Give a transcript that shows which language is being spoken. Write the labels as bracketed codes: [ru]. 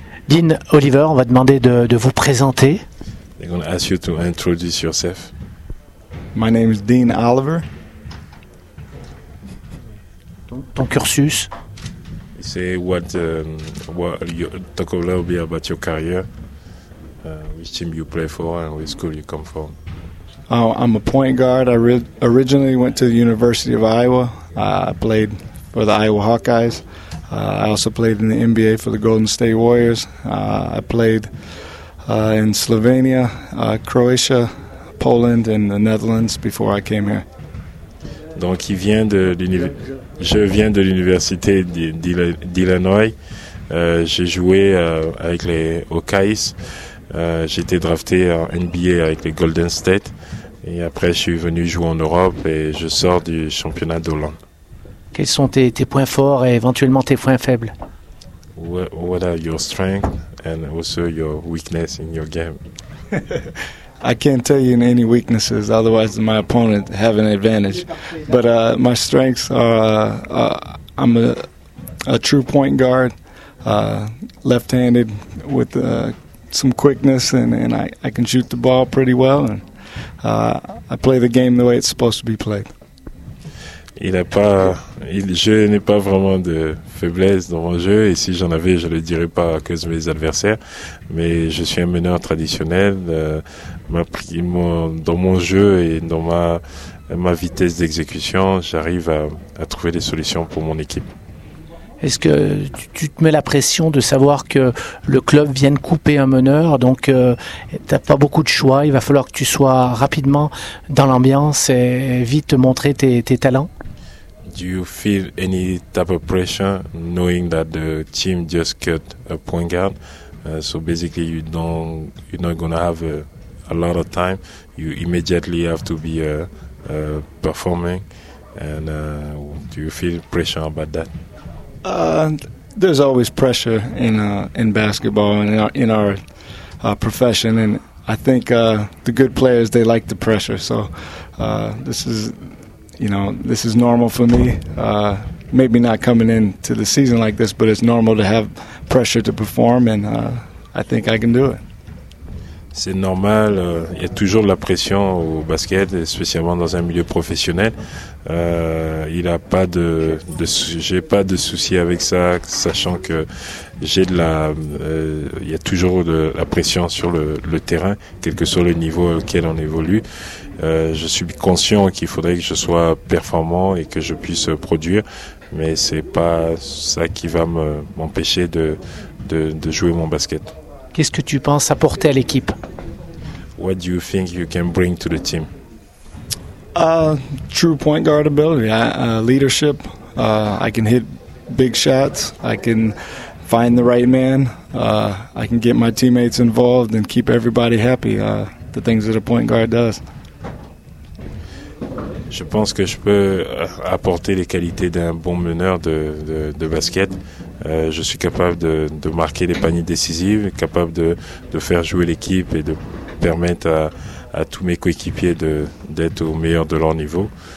[fr] Dean Oliver, on va demander de vous présenter. [en] They're going to ask you to introduce yourself. My name is Dean Oliver. [fr] Ton cursus. [en] Say what you talk a little bit about your career, which team you play for, and which school you come from. Oh, I'm a point guard. I originally went to the University of Iowa. I played for the Iowa Hawkeyes. I also played in the NBA for the Golden State Warriors. I played in Slovenia, Croatia, Poland, and the Netherlands before I came here. [fr] Donc, il vient de l'université. Je viens de l'université d'Illinois. J'ai joué avec les Hawkeyes. J'étais drafté en NBA avec les Golden State. Et après, je suis venu jouer en Europe et je sors du championnat d'Hollande. Quels sont tes points forts et éventuellement tes points faibles? [en] What are your strengths and also your weaknesses in your game? I can't tell you any weaknesses, otherwise my opponent have an advantage. But my strengths are I'm a true point guard, left-handed with some quickness, and I can shoot the ball pretty well, and I play the game the way it's supposed to be played. [fr] Je n'ai pas vraiment de faiblesse dans mon jeu, et si j'en avais, je ne le dirais pas à cause de mes adversaires. Mais je suis un meneur traditionnel. Dans mon jeu et dans ma vitesse d'exécution, j'arrive à trouver des solutions pour mon équipe. Est-ce que tu te mets la pression de savoir que le club vient de couper un meneur, donc tu n'as pas beaucoup de choix, il va falloir que tu sois rapidement dans l'ambiance et vite te montrer tes talents? [en] Do you feel any type of pressure knowing that the team just cut a point guard? So basically you're not going to have a lot of time. You immediately have to be performing. And do you feel pressure about that? There's always pressure in basketball and in our profession. And I think the good players, they like the pressure. So this is normal for me. Maybe not coming into the season like this, but it's normal to have pressure to perform, and I think I can do it. [fr] C'est normal. Il y a toujours de la pression au basket, spécialement dans un milieu professionnel. Il a pas de j'ai pas de souci avec ça, sachant que j'ai de la. Il y a toujours de la pression sur le terrain, quel que soit le niveau auquel on évolue. Je suis conscient qu'il faudrait que je sois performant et que je puisse produire, mais c'est pas ça qui va m'empêcher de jouer mon basket. Qu'est-ce que tu penses apporter à l'équipe? [en] What do you think you can bring to the team? True point guard ability, leadership. I can hit big shots. I can find the right man. I can get my teammates involved and keep everybody happy. The things that a point guard does. [fr] Je pense que je peux apporter les qualités d'un bon meneur de basket. Je suis capable de marquer les paniers décisifs, capable de faire jouer l'équipe et de permettre à tous mes coéquipiers d'être au meilleur de leur niveau.